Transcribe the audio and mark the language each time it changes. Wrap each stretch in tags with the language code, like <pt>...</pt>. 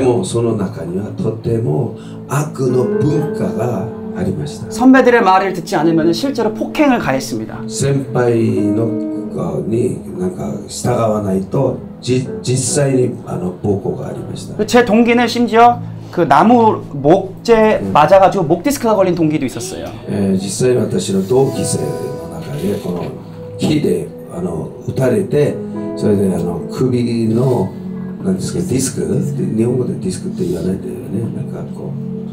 <ja>でもその中にはとても悪の文化が</ja> <ko>선배들의 말을 듣지 않으면 실제로 폭행을 가했습니다.</ko> <ja>先輩に従わないと実際に暴行がありました。</ja> <ko>제 동기는 심지어 그 나무 목재 맞아가지고 목 디스크가 걸린 동기도 있었어요.</ko> <ja>実際私の同級生の中でこの木で打たれて、それで首の何ですか、ディスク、日本語でディスクって言わないんだよね、なんかこう。</ja>